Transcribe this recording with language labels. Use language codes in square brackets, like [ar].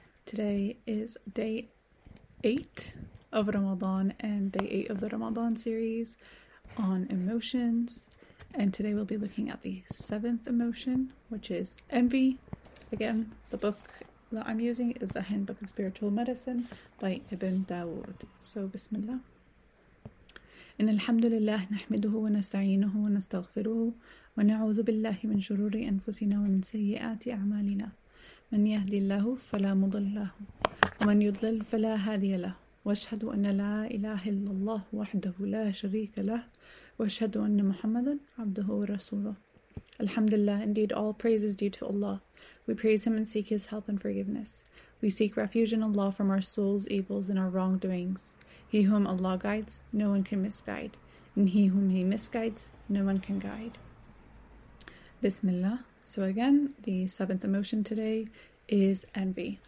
[en] Today is day 8 of Ramadan and day 8 of the Ramadan series on emotions. And today we'll be looking at the 7th emotion, which is envy. Again, the book that I'm using is the Handbook of Spiritual Medicine by Ibn Dawood. So, bismillah. [ar] إن الحمد لله نحمده ونستعينه ونستغفره ونعوذ بالله من شرور أنفسنا ومن سيئات أعمالنا من يهدي الله فلا مضل له ومن يضلل فلا هادي له وأشهد أن لا إله إلا الله وحده لا شريك له وأشهد أن محمدا عبده ورسوله [en] Alhamdulillah, indeed all praise is due to Allah. We praise Him and seek His help and forgiveness. We seek refuge in Allah from our soul's evils and our wrongdoings. He whom Allah guides, no one can misguide. And he whom He misguides, no one can guide. Bismillah. So again, the 7th emotion today is envy.